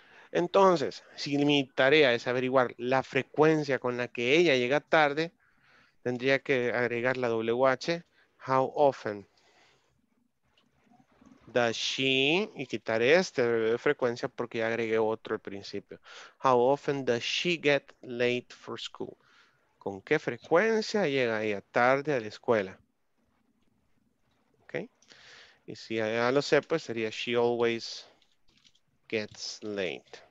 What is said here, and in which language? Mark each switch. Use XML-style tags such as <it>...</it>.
<es>Entonces, si mi tarea es averiguar la frecuencia con la que ella llega tarde, tendría que agregar la WH,</es> <en>how often does she,</en> <es>y quitaré este de frecuencia porque ya agregué otro al principio.</es> <en>How often does she get late for school?</en> <es>¿Con qué frecuencia llega ella tarde a la escuela? Okay. Y si ya lo sé, pues sería</es> <en>she always gets late.</en>